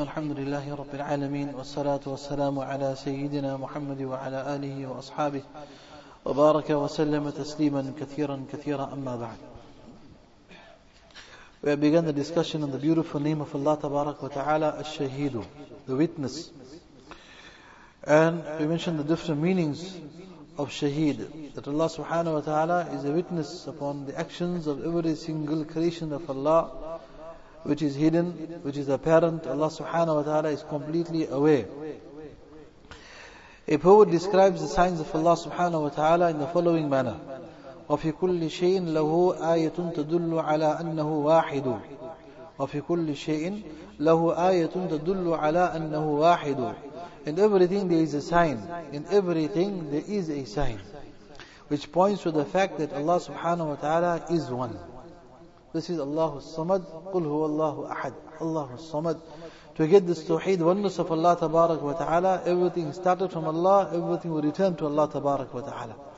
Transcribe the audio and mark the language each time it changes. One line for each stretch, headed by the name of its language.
Arabic: الحمد لله رب العالمين، والصلاة والسلام على سيدنا محمد وعلى آله وأصحابه وبارك وسلم تسليما كثيرا كثيرا. أما بعد،
English: we have begun the discussion on the beautiful name of Allah
Arabic: تبارك وتعالى,
English: الشهيد, the witness. And we mentioned the different meanings of شهيد, that Allah
Arabic: سبحانه وتعالى
English: is a witness upon the actions of every single creation of Allah, which is hidden, which is apparent. Allah subhanahu wa ta'ala is completely aware. A poet describes the signs of Allah subhanahu wa ta'ala in the following manner:
Arabic: وَفِي كُلِّ شَيْءٍ لَهُ آيَةٌ تَدُلُّ عَلَىٰ أَنَّهُ وَاحِدٌ وَفِي كُلِّ شَيْءٍ لَهُ آيَةٌ تَدُلُّ عَلَىٰ أَنَّهُ وَاحِدٌ.
English: In everything there is a sign. In everything there is a sign, which points to the fact that Allah subhanahu wa ta'ala is one. This is Allahu Samad,
Arabic: قُلْ هُوَ اللَّهُ أَحَدْ.
English: Allahu Samad. To get this Tawheed, oneness of Allah Tabarak wa Ta'ala, everything started from Allah, everything will return to Allah Tabarak wa Ta'ala.